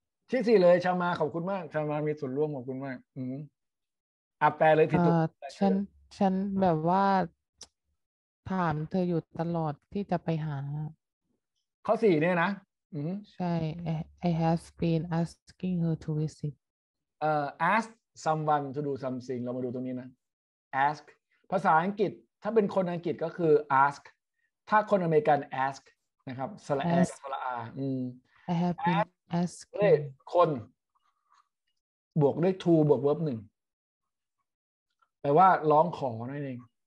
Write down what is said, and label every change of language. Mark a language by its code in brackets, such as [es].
[th] ที่4เลยชามาขอบคุณมากชามามีส่วนร่วมขอบคุณมากอืออ่ะแปลเลยผิดตั วฉันแบบว่าถามเธออยู่ตลอดที่จะไปหา ข้อ4เนี่ยนะ [en] ใช่ I have been asking her to visit ask someone to do something [th] เรามาดูตรงนี้นะ ask ภาษาอังกฤษถ้าเป็นคนอังกฤษก็คือ ask ถ้าคนอเมริกัน ask นะครับสระ a สระ a [en] I have been ask [th] คนบวกด้วย to บวก verb 1แปลว่าร้องขอนั่นเอง